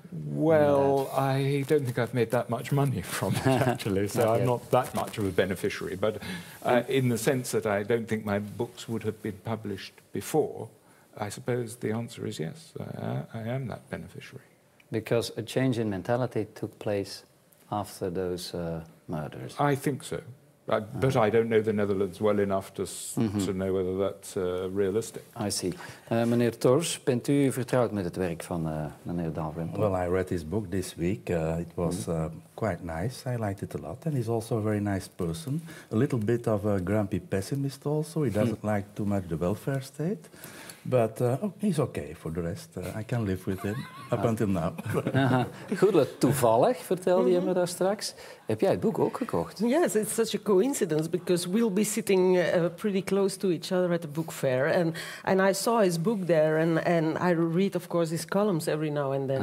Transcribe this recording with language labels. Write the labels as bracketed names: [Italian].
[English] Well, I don't think I've made that much money from it, actually, so not I'm yet. Not that much of a beneficiary, but in the sense that I don't think my books would have been published before, I suppose the answer is yes, I am that beneficiary. Because a change in mentality took place after those murders. I think so. But I don't know the Netherlands well enough to know whether that's realistic. I see. [Dutch] Meneer Torfs, bent u vertrouwd met het werk van meneer Dalrymple? [English] Well, I read his book this week. It was quite nice. I liked it a lot. And he's also a very nice person. A little bit of a grumpy pessimist also. He doesn't like too much the welfare state. But he's okay for the rest. I can live with him up until now. [Dutch] Goedele, toevallig vertelde je me daar straks. Heb jij het boek ook gekocht? [English] Yes, it's such a coincidence because we'll be sitting pretty close to each other at the book fair, and I saw his book there, and I read of course his columns every now and then.